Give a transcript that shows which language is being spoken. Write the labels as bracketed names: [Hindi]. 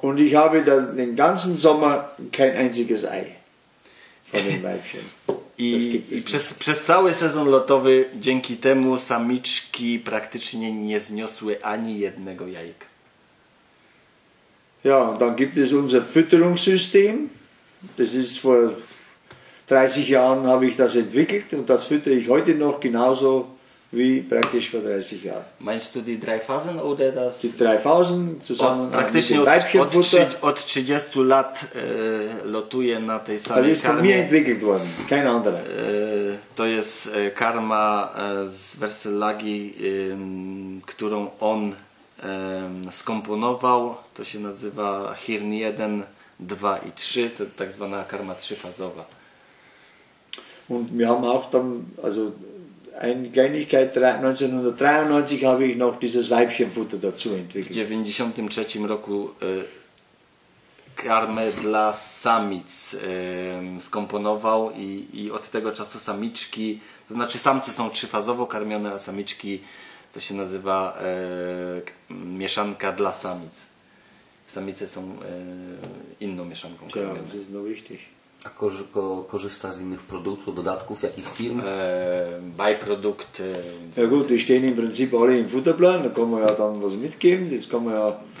[German] Und ich habe den ganzen Sommer kein einziges Ei von den Weibchen. [Polish] I przez cały sezon lotowy dzięki temu samiczki praktycznie nie zniosły ani jednego jajka. [German] Ja, dann gibt es unser Fütterungssystem. Das ist vor 30 Jahren habe ich das entwickelt und das füttere ich heute noch genauso wie praktisch vor 30 Jahren. Meinst du die drei Phasen oder das? Die drei Phasen zusammen [Polish] praktycznie [German] mit dem Weibchenfutter. [Polish] Od 30 lat lotuje na tej samej karmie. [German] Das ist von mir entwickelt worden, kein anderer. [Polish] To jest karma z Versillagi, którą on skomponował. To się nazywa Hirn 1, 2 i 3. To tak zwana karma trzyfazowa. Und wir haben auch dann, also eine Kleinigkeit, 1993 habe ich noch dieses Weibchenfutter dazu entwickelt. W 93 roku karmę dla samic skomponował i od tego czasu samiczki, to znaczy samce są trzyfazowo karmione, a samiczki to się nazywa mieszanka dla samic. Samice są inną mieszanką karmioną. A korzysta z innych produktów, dodatków, jakich firm? [German] Byprodukt. Ja gut, die stehen im Prinzip alle im Futterplan, da kann man ja dann was mitgeben, das kann man ja...